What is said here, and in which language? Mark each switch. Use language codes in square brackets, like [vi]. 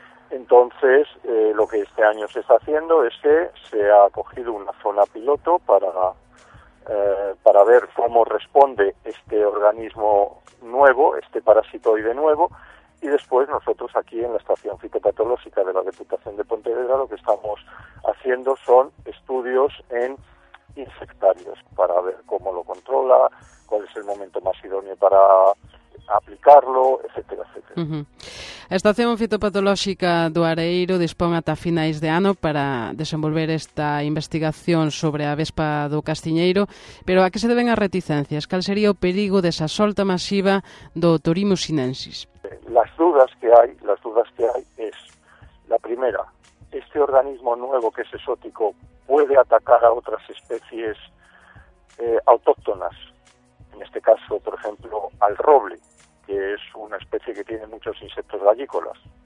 [es] Entonces, lo que este año se está haciendo es que se ha cogido una zona piloto para ver cómo responde este organismo nuevo, este parasitoide nuevo, y después nosotros aquí en la Estación Fitopatológica de la Diputación de Pontevedra lo que estamos haciendo son estudios en insectarios para ver cómo lo controla, cuál es el momento más idóneo para aplicarlo, etcétera, etcétera. [gl] Uh-huh. A Estación Fitopatolóxica do Areeiro dispón ata finais de ano para desenvolver esta investigación sobre a vespa do castiñeiro, pero a que se deben as reticencias? Cal sería o perigo desa solta masiva do Torimo sinensis? [es] Las dudas que hay es, la primera, este organismo nuevo que es exótico puede atacar a otras especies autóctonas. En este caso, por ejemplo, al roble, que es una especie que tiene muchos insectos gallícolas.